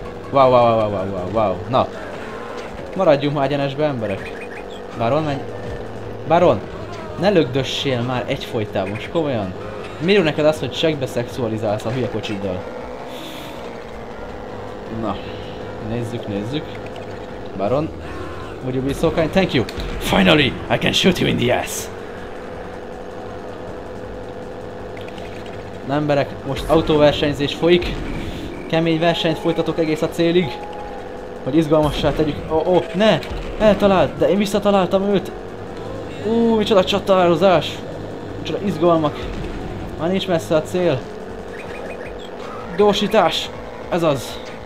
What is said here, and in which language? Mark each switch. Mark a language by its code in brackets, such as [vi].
[hu] Wow. Na. Maradjunk már egyenesbe, emberek. Baron, menj. Baron, ne lögdössél már egyfolytában, most komolyan. Miért neked az, hogy segbe szexualizálsz a hülye kocsiddal? Na. Nézzük. [en] Baron, would you be so kind? Thank you. Finally, I can shoot you in the ass. [hu] Na emberek, most autóversenyzés folyik. Kemény versenyt folytatok egész a célig. Hogy izgalmassá tegyük. Ne! Eltalált, de én visszataláltam őt. Micsoda csatározás. Micsoda izgalmak. Már nincs messze a cél. Gyorsítás. Ez az.